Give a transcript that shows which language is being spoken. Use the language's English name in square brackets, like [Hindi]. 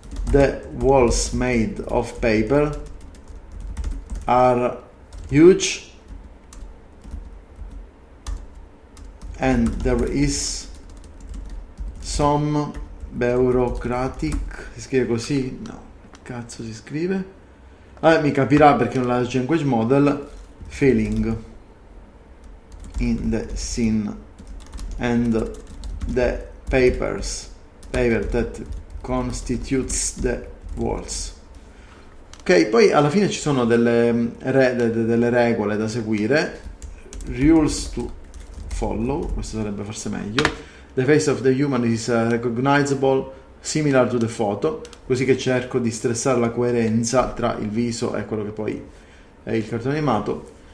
[English] The walls made of paper are huge and there is some bureaucratic. [Italian] Si scrive così? No, cazzo si scrive? Mi capirà perché è un large language model. [English] Filling in the scene and the papers, paper that constitutes the walls. [Italian] Ok, poi alla fine ci sono delle regole da seguire. [English] Rules to follow, [Italian] questo sarebbe forse meglio. [English] The face of the human is recognizable, similar to the photo, [Italian] così che cerco di stressare la coerenza tra il viso e quello che poi è il cartone animato.